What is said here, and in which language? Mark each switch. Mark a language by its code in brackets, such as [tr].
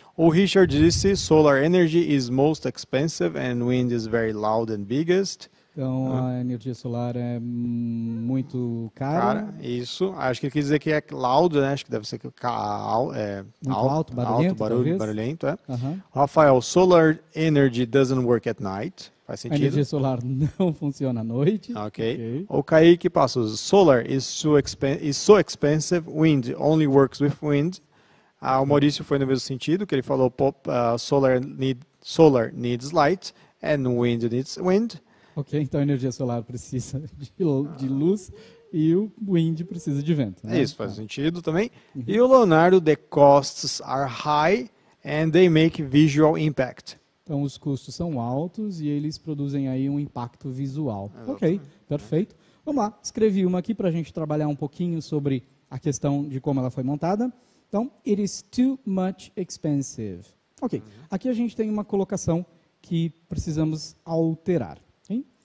[pt] O Richard disse, [en] solar energy is most expensive and wind is very loud and biggest. [pt] Então, a energia solar é muito cara. Cara, isso. Acho que ele quis dizer que é loud, né? Acho que deve ser alto, barulhento, barulhento, é. [en] Uh-huh. Rafael, solar energy doesn't work at night. [pt] Faz sentido. A energia solar não funciona à noite. [en] Okay. Ok. [pt] O Kaique passa, [en] solar is so expensive, wind only works with wind. [pt] Ah, o Maurício foi no mesmo sentido, que ele falou, [en] solar needs light and wind needs wind. [pt] Ok, então a energia solar precisa de luz e o wind precisa de vento. Né? Isso, faz sentido também. [en] Uhum. [pt] E o Leonardo, [en] the costs are high and they make visual impact. [pt] Então, os custos são altos e eles produzem aí um impacto visual. Exato. Ok, perfeito. Vamos lá, escrevi uma aqui para a gente trabalhar um pouquinho sobre a questão de como ela foi montada. Então, [en] it is too much expensive. [pt] Ok, aqui a gente tem uma colocação que precisamos alterar. Hein?